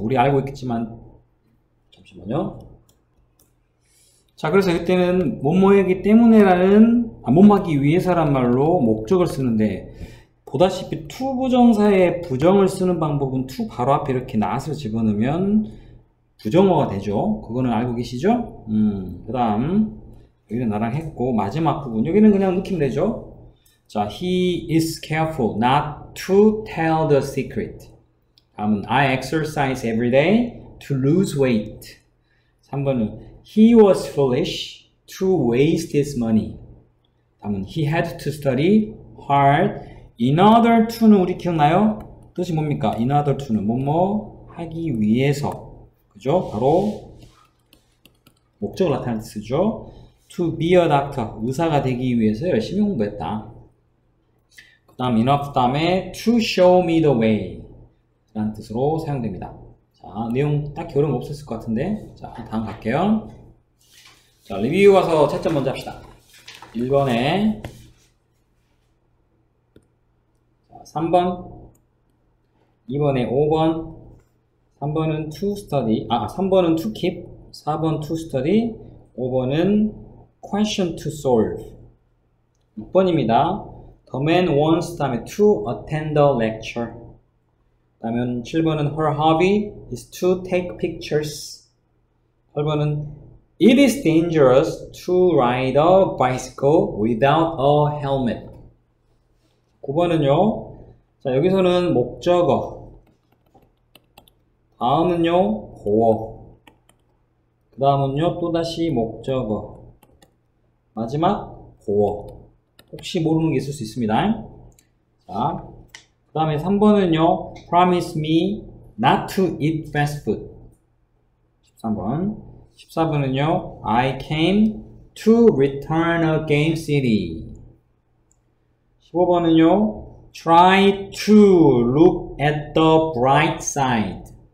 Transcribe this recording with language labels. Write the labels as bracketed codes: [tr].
[ko] 우리 알고 있겠지만, 잠시만요. 자, 그래서 이때는 뭐뭐이기 때문에라는, 뭐뭐하기 위해서란 말로 목적을 쓰는데, 보다시피 to 부정사의 부정을 쓰는 방법은 to 바로 앞에 이렇게 not을 집어넣으면 부정어가 되죠. 그거는 알고 계시죠? 그 다음, 여기는 나랑 했고, 마지막 부분, 여기는 그냥 느낌 되죠? [en] 자, he is careful not to tell the secret. [ko] 다음은 [en] I exercise every day to lose weight. [ko] 3번은 [en] he was foolish to waste his money. [ko] 다음은 [en] he had to study hard. [ko] In order to는 우리 기억나요? 뜻이 뭡니까? In order to는 뭐뭐 하기 위해서. 그죠? 바로 목적을 나타내는 뜻이죠. [en] To be a doctor, [ko] 의사가 되기 위해서 열심히 공부했다. 그다음 enough 다음에 [en] to show me the way [ko] 라는 뜻으로 사용됩니다. 자, 내용 딱히 어려운 거 없었을 것 같은데 자, 다음 갈게요. 자, 리뷰 와서 채점 먼저 합시다. 1번에 자, 3번 2번에 5번 3번은 to study 3번은 to keep 4번 to study 5번은 question to solve 6번입니다. [en] The man wants 다음에 to attend the lecture. [ko] 다음에 7번은 [en] her hobby is to take pictures. [ko] 8번은 [en] it is dangerous to ride a bicycle without a helmet. [ko] 9번은요. 자, 여기서는 목적어. 다음은요. 보어. 그 다음은요. 또다시 목적어. 마지막 보어. 혹시 모르는 게 있을 수 있습니다. 자, 그 다음에 3번은요. [en] Promise me not to eat fast food. [ko] 13번. 14번은요. [en] I came to return a game city. [ko] 15번은요. [en] Try to look at the bright side.